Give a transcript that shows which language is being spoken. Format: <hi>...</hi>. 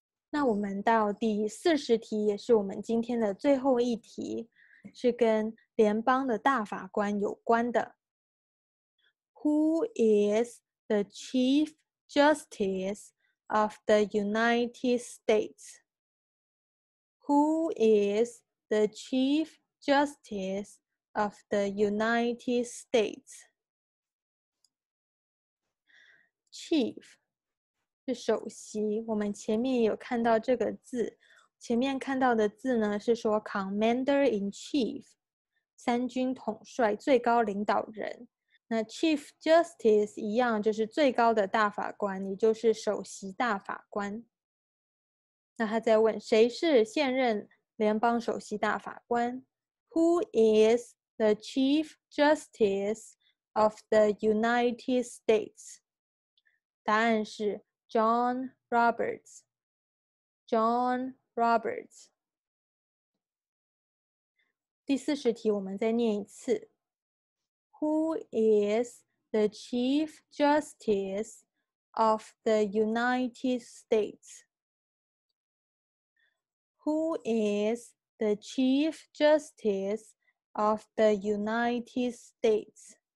<zh>那我们到第40题，也是我们今天的最后一题，是跟联邦的大法官有关的。</zh> <en>Who is the Chief Justice of the United States? Who is the Chief Justice of the United States?</en> <zh>Chief 是首席，我们前面有看到这个字，前面看到的字呢是说 Commander in Chief，三军统帅，最高领导人。那 Chief Justice 一样就是最高的大法官，也就是首席大法官。那他在问谁是现任联邦首席大法官？</zh> <en>Who is the Chief Justice of the United States?</en> <zh>答案是 John Roberts. John Roberts. 第四十题我们再念一次。</zh> <en>Who is the Chief Justice of the United States? Who is the Chief Justice of the United States?</en>